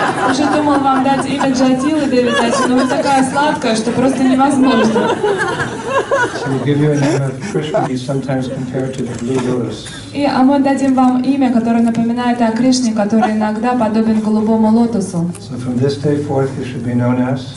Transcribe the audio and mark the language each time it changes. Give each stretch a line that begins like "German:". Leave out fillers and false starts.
Russian: Уже думал вам дать имя Джатила Деви Даса, но вы такая сладкая, что просто невозможно.
English: So we'll give you a name of Krishna, he's sometimes compared to the blue lotus.
Russian: И мы дадим вам имя, которое напоминает о Кришне, который иногда подобен голубому лотосу.
English: So from this day forth you should be known as.